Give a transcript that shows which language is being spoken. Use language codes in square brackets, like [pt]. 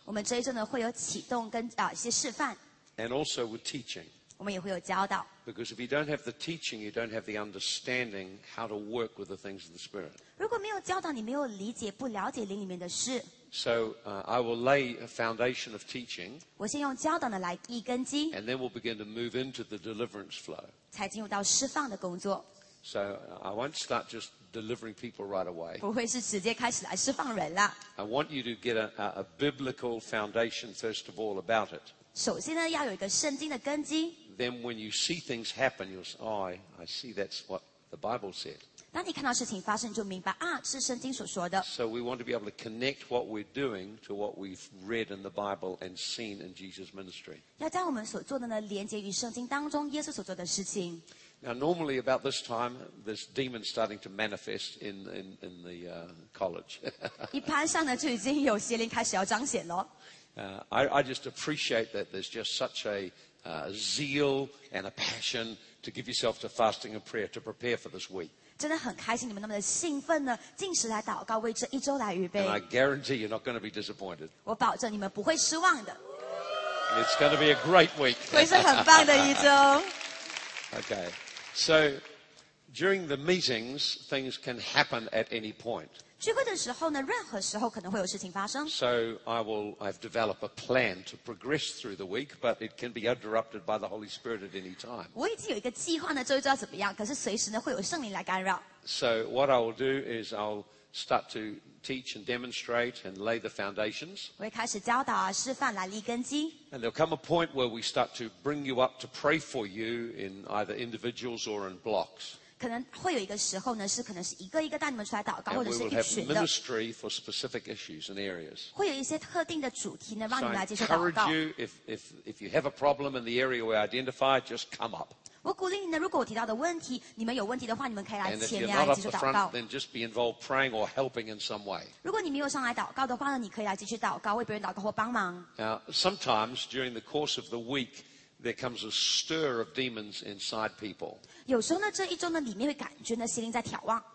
[zh] 我们这一周呢会有启动跟一些示范。 [en] And also with teaching. [zh] 我们也会有教导。 [en] Because if you don't have the teaching, you don't have the understanding how to work with the things of the Spirit. [zh] 如果没有教导，你没有理解，不了解灵里面的事。 [en] So, I will lay a foundation of teaching. [zh] 我先用教导呢来立根基。 [en] And then we'll begin to move into the deliverance flow. [zh] 才进入到释放的工作。 [en] So, I won't start just delivering people right away. [zh] 不会是直接开始来释放人了。 [en] I want you to get a biblical foundation first of all about it. [zh] 首先呢，要有一个圣经的根基。 [en] Then when you see things happen, you'll say, "Oh, I see that's what the Bible said." [zh] 当你看到事情发生，就明白啊，是圣经所说的。 [en] So we want to be able to connect what we're doing to what we've read in the Bible and seen in Jesus' ministry. [zh] 要将我们所做的呢，连接于圣经当中耶稣所做的事情。 [en] Now, normally about this time, this demon starting to manifest in the college. [zh] 一般上呢，就已经有邪灵开始要彰显了。 [en] I just appreciate that there's just such a zeal and a passion to give yourself to fasting and prayer to prepare for this week. [zh] 真的很开心你们那么的兴奋呢，进食来祷告，为这一周来预备。 [en] And I guarantee you're not going to be disappointed. [zh] 我保证你们不会失望的。 [en] It's going to be a great week. [zh] 会是很棒的一周。 [en] Okay, so during the meetings, things can happen at any point. [zh] 聚会的时候呢，任何时候可能会有事情发生。 [en] So I've developed a plan to progress through the week, but it can be interrupted by the Holy Spirit at any time. [zh] 我已经有一个计划呢，周一周怎么样？可是随时呢会有圣灵来干扰。 [en] So what I will do is I'll start to teach and demonstrate and lay the foundations. [zh] 我会开始教导啊，示范来立根基。 [en] And there'll come a point where we start to bring you up to pray for you in either individuals or in blocks. [zh] 可能会有一个时候呢，是可能是一个一个带你们出来祷告，或者是一群的。 [en] And we will have ministry for specific issues and areas. [zh] 会有一些特定的主题呢，让你们来接受祷告。 [en] So I encourage you, if you have a problem in the area we identify, just come up. [zh] 我鼓励你呢，如果我提到的问题，你们有问题的话，你们可以来前面来接受祷告。 [en] And if you're not up the front, then just be involved praying or helping in some way. [zh] 如果你没有上来祷告的话呢，你可以来继续祷告，为别人祷告或帮忙。 [en] Now, sometimes during the course of the week. There comes a stir of demons inside people. [zh] 有时候呢，这一周呢，里面会感觉呢，邪灵在挑旺。